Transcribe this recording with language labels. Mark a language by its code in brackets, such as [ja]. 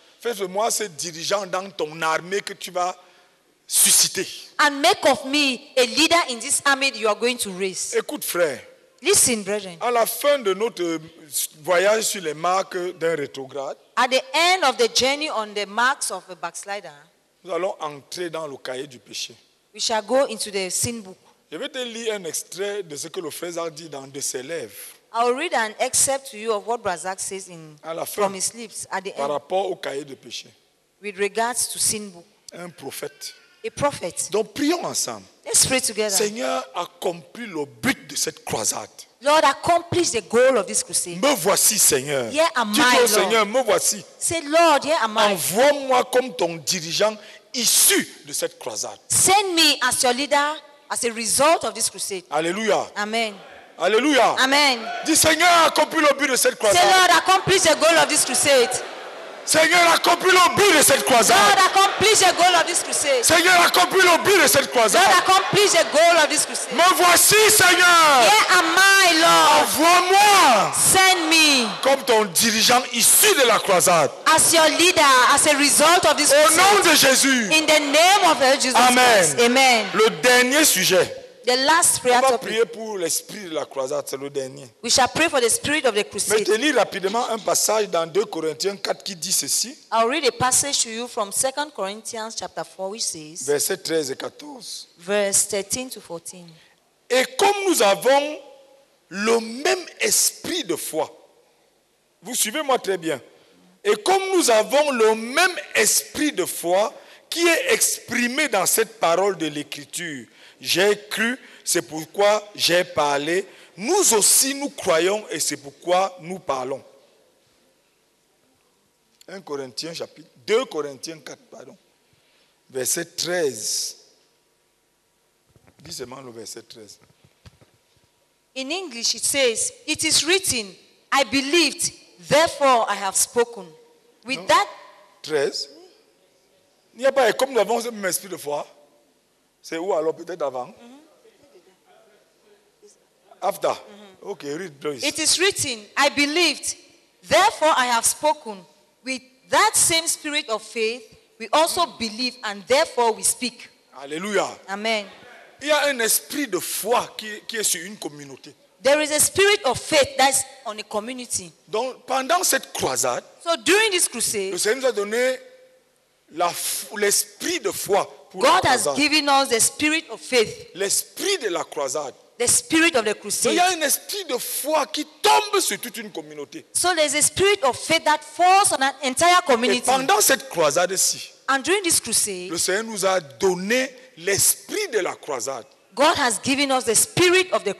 [fr] Fais de moi ce dirigeant dans ton armée que tu vas susciter. [en] And make of me a leader in this army you are going to raise. [fr] Écoute, frère. [en] Listen, brethren. [fr] À la fin de notre voyage sur les marques d'un rétrograde. [en] At the end of the journey on the marks of a backslider. [fr] Nous allons entrer dans le cahier du péché. [en] We shall go into the sin book. [fr] Je vais te lire un extrait de ce que le frère Zach dit dans de ses lèvres. [en] I will read an excerpt to you of what Brother Zach says in from his lips at the [fr] par [en] end. [fr] Par rapport au cahier du péché. [en] With regards to sin book. [fr] Un prophète. [en] A prophet. [fr] Donc prions ensemble. [en] Let's pray together. [fr] Seigneur, accomplis le but de cette croisade. [en] Lord, accomplish the goal of this crusade. [fr] Me voici, Seigneur. [en] Here am I, Lord. [fr] Seigneur, me voici. [en] Say, Lord, here am I. [fr] Envoie-moi comme ton dirigeant issu de cette croisade. [en] Send me as your leader, as a result of this crusade. Alléluia. Amen. Alléluia. Amen. [fr] Dis, Seigneur, accomplis le but de cette croisade. [en] Say, Lord, accomplish the goal of this crusade. [fr] Seigneur, accomplis le but de cette croisade. [en] Lord, [fr] accomplis. accomplis les [en] goals of this crusade. [fr] Seigneur, accomplis le but de cette croisade. [en] Lord, [fr] accomplis les [en] goals of this crusade. [fr] Me voici, Seigneur. [en] Here am I, Lord. [fr] Envoie-moi. [en] Send me. [fr] Comme ton dirigeant issu de la croisade. [en] As your leader, as a result of this [fr] Au [en] crusade. [fr] Au nom de Jésus. [en] In the name of Jesus Amen. Christ. Amen. [fr] Le dernier sujet. [en] The last prayer [fr] On va prier pour l'esprit de la croisade, c'est le dernier. [en] We shall pray for the spirit of the crusade. [fr] Mais je lis rapidement un passage dans 2 Corinthiens 4 qui dit ceci. [en] I'll read a passage to you from 2 Corinthians chapter 4 which says. [fr] Verset 13 et 14. [en] Verse 13 to 14. [fr] Et comme nous avons le même esprit de foi. Vous suivez-moi très bien. Et comme nous avons le même esprit de foi qui est exprimé dans cette parole de l'écriture. J'ai cru, c'est pourquoi j'ai parlé. Nous aussi, nous croyons et c'est pourquoi nous parlons. 1 Corinthiens chapitre 2 Corinthiens 4, pardon. Verset 13. Dis seulement le verset 13. [en] In English, it says, it is written, I believed, therefore I have spoken. With non. that... 13. [fr] Il n'y a pas, comme nous avons un esprit de foi... C'est où alors, peut-être avant? Mm-hmm. [en] After. [fr] Mm-hmm. [en] Okay, read, please. It is written, I believed, therefore I have spoken. With that same spirit of faith, we also believe and therefore we speak. Alléluia. Amen. [fr] Il y a un esprit de foi qui est sur une communauté. [en] There is a spirit of faith that's on a community. [fr] Donc, pendant cette croisade, [en] so during this crusade, [fr] le Seigneur nous a donné l'esprit de foi. [en] God has given us the spirit of faith. [fr] L'esprit de la croisade. [en] The spirit of the crusade. [fr] Il y a un esprit de foi qui tombe sur toute une communauté. [en] So there's a spirit of faith that falls on an entire community. [fr] Et pendant cette croisade-ci. [en] And during this crusade. [fr] Le Seigneur nous a donné l'esprit de la croisade. [en] God has given us the spirit of the crusade.